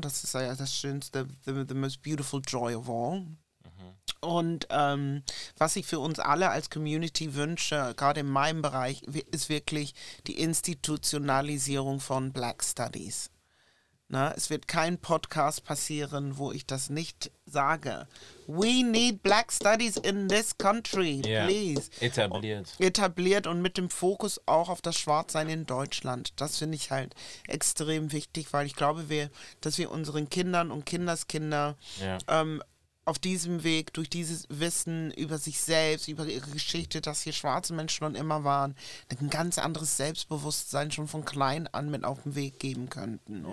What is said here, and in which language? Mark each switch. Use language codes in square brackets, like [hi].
[de] Das ist ja das Schönste, [en] the most beautiful joy of all. [de] Und was ich für uns alle als Community wünsche, gerade in meinem Bereich, ist wirklich die Institutionalisierung von Black Studies. Na, es wird kein Podcast passieren, wo ich das nicht sage. [en] We need Black Studies in this country, please. [de] Etabliert. Etabliert und mit dem Fokus auch auf das Schwarzsein in Deutschland. Das finde ich halt extrem wichtig, weil ich glaube, dass wir unseren Kindern und Kindeskinder auf diesem Weg, durch dieses Wissen über sich selbst, über ihre Geschichte, dass hier schwarze Menschen schon immer waren, ein ganz anderes Selbstbewusstsein schon von klein an mit auf den Weg geben könnten.